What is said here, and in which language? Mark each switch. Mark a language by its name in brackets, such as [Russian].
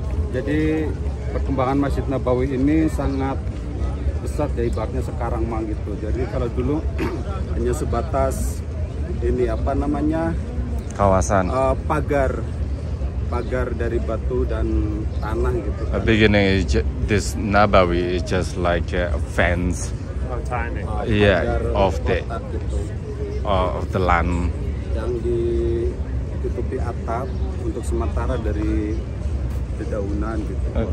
[Indonesian] Jadi perkembangan Masjid Nabawi ini sangat besar ya ibaratnya sekarang mah gitu. Jadi kalau dulu hanya sebatas ini apa namanya kawasan pagar dari batu dan tanah gitu. [English] The beginning is this Nabawi is just like a fence. Oh, tiny. Yeah, of the land. [Indonesian] Yang ditutupi atap untuk sementara dari dedaunan gitu.